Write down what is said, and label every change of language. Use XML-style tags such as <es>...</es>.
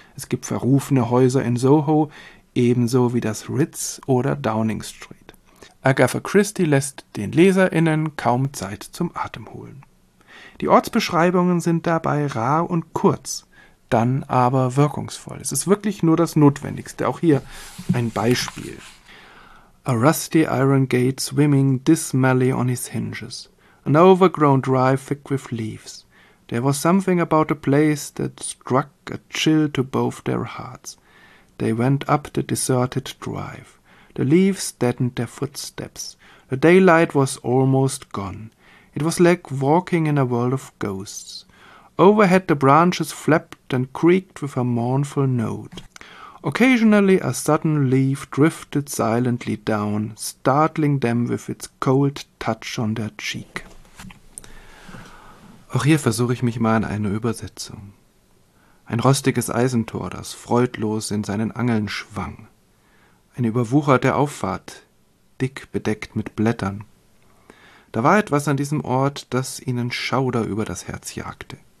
<de>Es gibt verrufene Häuser in Soho, ebenso wie das Ritz oder Downing Street. Agatha Christie lässt den LeserInnen kaum Zeit zum Atem holen. Die Ortsbeschreibungen sind dabei rar und kurz, dann aber wirkungsvoll. Es ist wirklich nur das Notwendigste. Auch hier ein Beispiel.</de> <en>A rusty iron gate swimming dismally on its hinges. An overgrown drive thick with leaves. There was something about a place that struck a chill to both their hearts. They went up the deserted drive. The leaves deadened their footsteps. The daylight was almost gone. It was like walking in a world of ghosts. Overhead the branches flapped and creaked with a mournful note. Occasionally a sudden leaf drifted silently down, startling them with its cold touch on their cheek.</en> <de>Auch hier versuche ich mich mal an eine Übersetzung. Ein rostiges Eisentor, das freudlos in seinen Angeln schwang. Eine überwucherte Auffahrt, dick bedeckt mit Blättern. Da war etwas an diesem Ort, das ihnen Schauder über das Herz jagte.</de>